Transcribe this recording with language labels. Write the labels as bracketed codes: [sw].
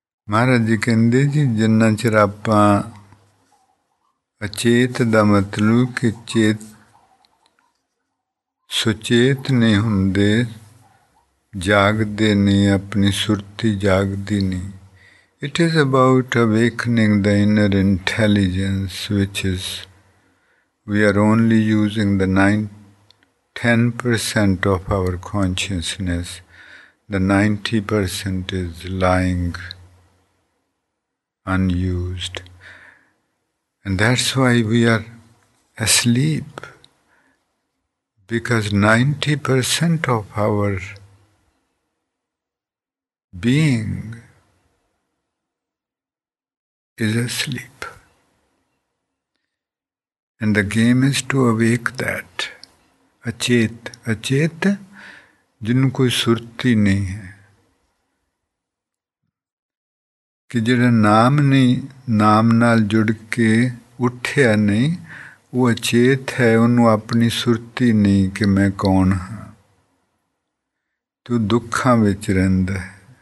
[pa] ਮਹਾਰਾਜ ਜੀ ਕਹਿੰਦੇ ਜੀ, ਜਿੰਨਾ ਚਿਰ ਆਪਾਂ ਅਚੇਤ ਦਾ ਮਤਲਬ ਕਿ ਚੇਤ ਸੁਚੇਤ ਨਹੀਂ ਹੁੰਦੇ, ਜਾਗਦੇ ਨਹੀਂ, ਆਪਣੀ ਸੁਰਤੀ ਜਾਗਦੀ ਨਹੀਂ. [en] It is about awakening the inner intelligence which is we are only using the 9-10% of our consciousness. The 90% is lying unused, and that's why we are asleep, because 90% of our being is asleep, and the game is to awake that achet. [pa] Achet jinnu koi surti nahi hai, ਕਿ ਜਿਹੜਾ ਨਾਮ ਨਹੀਂ, ਨਾਮ ਨਾਲ ਜੁੜ ਕੇ ਉੱਠਿਆ ਨਹੀਂ, ਉਹ ਅਚੇਤ ਹੈ. ਉਹਨੂੰ ਆਪਣੀ ਸੁਰਤੀ ਨਹੀਂ ਕਿ ਮੈਂ ਕੌਣ ਹਾਂ, ਤੂੰ ਦੁੱਖਾਂ ਵਿੱਚ ਰਹਿੰਦਾ ਹੈ.